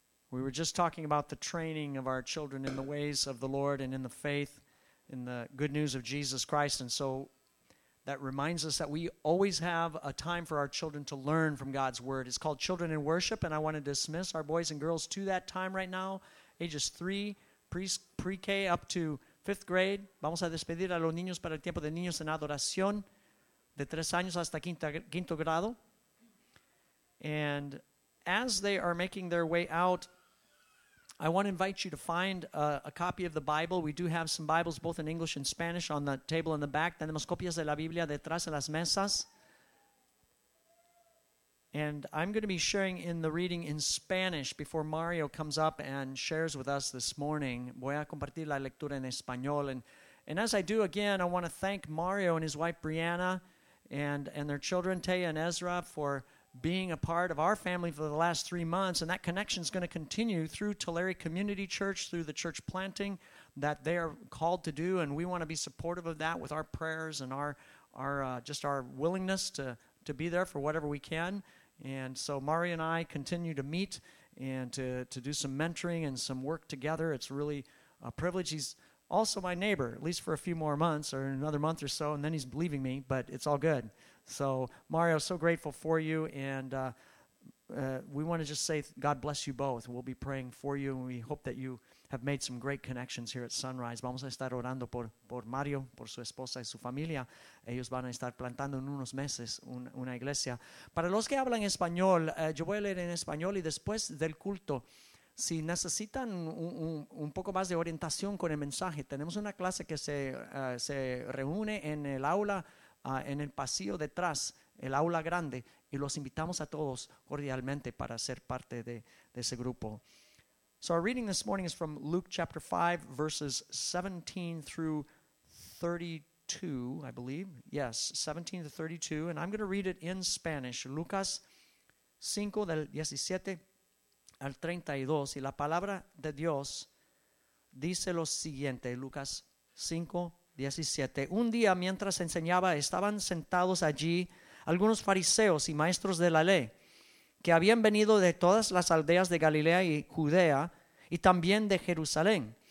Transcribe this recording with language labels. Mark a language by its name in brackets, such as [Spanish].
[English] We were just talking about the training of our children in the ways of the Lord and in the faith, in the good news of Jesus Christ. And so that reminds us that we always have a time for our children to learn from God's word. It's called Children in Worship, and I want to dismiss our boys and girls to that time right now, ages 3, pre-K up to 5th grade. [Spanish] Vamos a despedir a los niños para el tiempo de niños en adoración, de 3 años hasta quinto grado. [English] And as they are making their way out, I want to invite you to find a copy of the Bible. We do have some Bibles, both in English and Spanish, on the table in the back. [Spanish] Tenemos copias de la Biblia detrás de las mesas. [English] And I'm going to be sharing in the reading in Spanish before Mario comes up and shares with us this morning. [Spanish] Voy a compartir la lectura en español. [English] And as I do, again, I want to thank Mario and his wife Brianna and their children, Taya and Ezra, for being a part of our family for the last 3 months, and that connection is going to continue through Tulare Community Church, through the church planting that they are called to do, and we want to be supportive of that with our prayers and our willingness to be there for whatever we can. And so Mari and I continue to meet and to do some mentoring and some work together. It's really a privilege. He's also my neighbor, at least for a few more months or another month or so, and then he's leaving me, but it's all good. So, Mario, so grateful for you, and we want to just say God bless you both. We'll be praying for you, and we hope that you have made some great connections here at Sunrise. [Spanish] Vamos a estar orando por Mario, por su esposa y su familia. Ellos van a estar plantando en unos meses una iglesia. Para los que hablan español, yo voy a leer en español, y después del culto, si necesitan un poco más de orientación con el mensaje, tenemos una clase que se reúne en el aula, en el pasillo detrás, el aula grande, y los invitamos a todos cordialmente para ser parte de ese grupo. [English] So our reading this morning is from Luke chapter 5, verses 17 through 32, I believe. Yes, 17 to 32, and I'm going to read it in Spanish. [Spanish] Lucas 5, del 17 al 32, y la palabra de Dios dice lo siguiente, Lucas 5, 17. Un día, mientras enseñaba, estaban sentados allí algunos fariseos y maestros de la ley, que habían venido de todas las aldeas de Galilea y Judea, y también de Jerusalén.